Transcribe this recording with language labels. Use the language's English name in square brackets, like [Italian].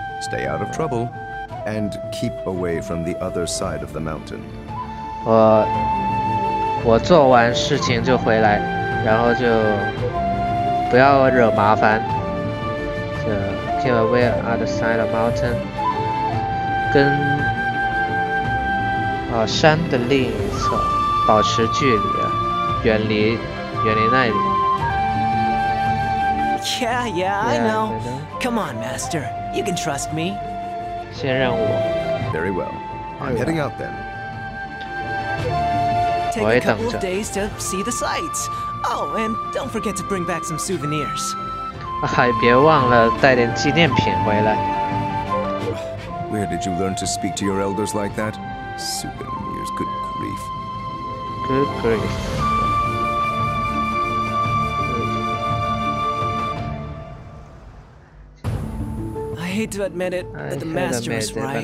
[English] Stay out of trouble, and keep away from the other side of the mountain. [Chinese] 我做完事情就回来，然后就不要惹麻烦。 [English] Keep away on the other side of the mountain. [Chinese] 跟山的另一侧保持距离，远离那里。 [English] Yeah, I know. Come on, Master. You can trust me. [Chinese] 先任务。 [English] Very well. I'm heading out then. Take a couple of days to see the sights. Oh, and don't forget to bring back some souvenirs. [Chinese] 还别忘了带点纪念品回来。 [English] Where did you learn to speak to your elders like that? Souvenirs, good grief. Good grief. I hate to admit it, but the master is right.